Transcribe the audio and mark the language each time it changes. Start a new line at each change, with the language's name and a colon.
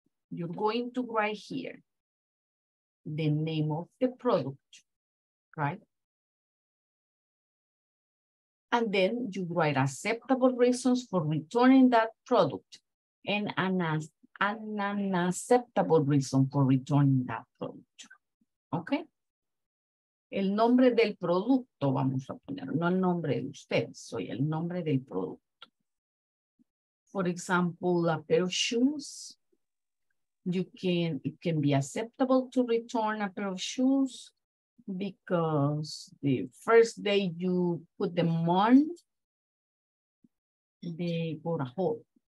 English: You're going to write here the name of the product, right? And then you write acceptable reasons for returning that product and an unacceptable reason for returning that product. Okay?
Spanish: El nombre del producto, vamos a poner, no el nombre de usted, soy el nombre del producto.
English: For example, a pair of shoes. It can be acceptable to return a pair of shoes because the first day you put them on, they go a hole.